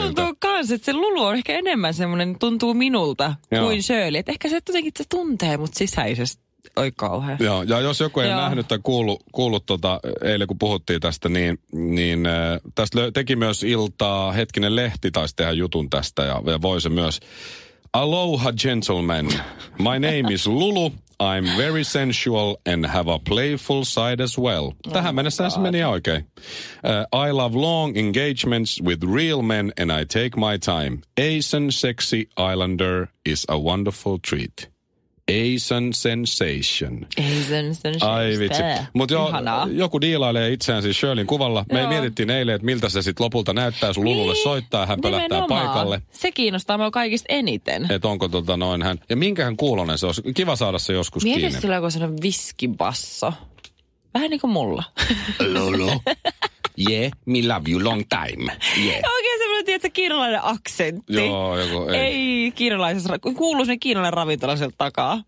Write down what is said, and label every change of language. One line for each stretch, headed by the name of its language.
Finnish: Musta tuntuu kans, että se Lulu on ehkä enemmän semmoinen, tuntuu minulta kuin Shirley. Et ehkä se jotenkin se tuntee mut sisäisesti. Oi kauhean. Joo, ja jos joku ei nähnyt tai kuullut eilen, kun puhuttiin tästä, niin tästä teki myös iltaa hetkinen lehti, taisi tehdä jutun tästä, ja voi se myös.
English: Aloha gentlemen, my name is Lulu, I'm very sensual and have a playful side as well.
Finnish: Tähän mennessä se meni oikein.
English: I love long engagements with real men and I take my time. Asian sexy islander is a wonderful treat. Asian sensation. Asian sensation.
Finnish: Ai vitsi. Mutta joku diilailee itseään siis Shirleyn kuvalla. Me mietittiin eilen, että miltä se sitten lopulta näyttää, sun Lululle soittaa, hän pölättää paikalle. Se kiinnostaa minua kaikista eniten. Että onko noin hän. Ja minkähän kuulonen se olisi. Kiva saada se joskus mietin kiinni. Mietin sillä, kun se on viskibasso. Vähän niin kuin mulla. Lulu.
English: Yeah, me love you long time. Yeah.
Finnish: Oikein semmoinen, tiedätkö, kiinalainen aksentti. Joo, joku ei. Ei kiinalaisessa, kuuluu sinne kiinalainen ravintola sieltä takaa.